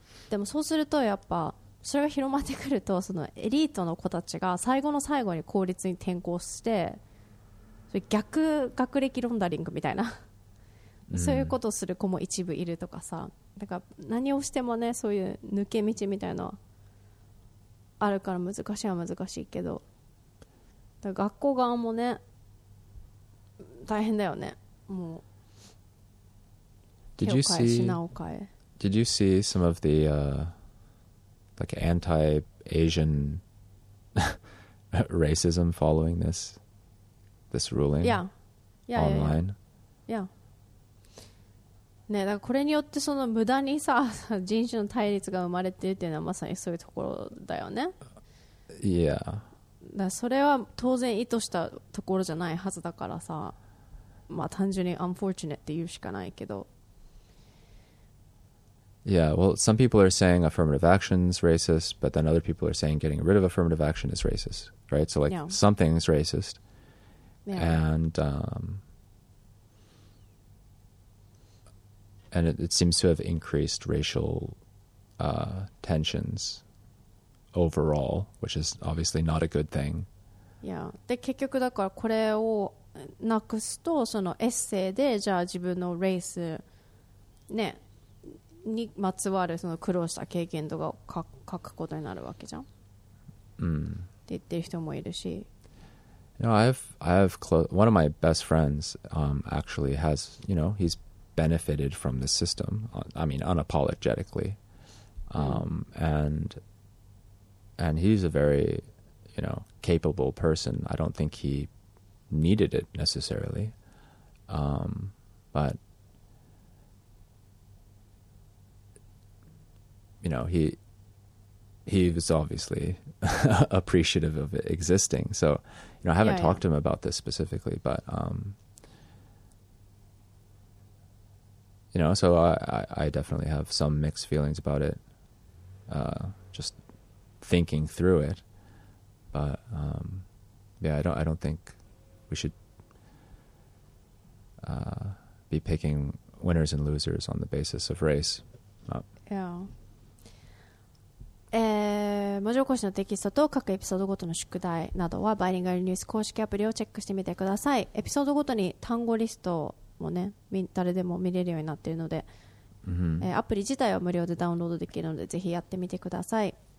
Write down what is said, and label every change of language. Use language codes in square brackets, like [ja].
[ja] でもそうするとやっぱそれが広まってくると、そのエリートの子たちが最後の最後に公立に転校して、それ逆学歴ロンダリングみたいなそういうことをする子も一部いるとかさ、だから何をしてもね、そういう抜け道みたいなのはあるから、難しいは難しいけど、だから学校側もね大変だよね。もう手を変え品を変え。 [en] Did you see some of the like anti-Asian racism following this ruling? Yeah. Yeah, online? Yeah. [ja] ね、だからこれによってその無駄にさ、人種の対立が生まれてるっていうのはまさにそういうところだよね。いや、 [en] yeah. [ja] それは当然意図したところじゃないはずだからさ、まあ単純に unfortunate って言うしかないけど。 [en] Yeah, well, some people are saying affirmative action is racist, but then other people are saying getting rid of affirmative action is racist, right? So like something is racist. Yeah. And it seems to have increased racial tensions overall, which is obviously not a good thing. Yeah. [ja] で結局だからこれをなくすと、そのエッセイでじゃあ自分のレースねにまつわるその苦労した経験とかを書くことになるわけじゃん。って言ってる人もいるし。 [en] You know, I have one of my best friends actually has, you know, he's benefited from the system, I mean unapologetically, and he's a very, you know, capable person. I don't think he needed it necessarily, but you know, he was obviously appreciative of it existing, so you know, I haven't talked to him about this specifically, but you know, so I definitely have some mixed feelings about it, just thinking through it. But I don't think we should be picking winners and losers on the basis of race. Yeah. [ja] 文字起こしのテキストと各エピソードごとの宿題などはバイリンガルニュース公式アプリをチェックしてみてください。エピソードごとに単語リストをもね、誰でも見れるようになっているので、アプリ自体は無料でダウンロードできるのでぜひやってみてください。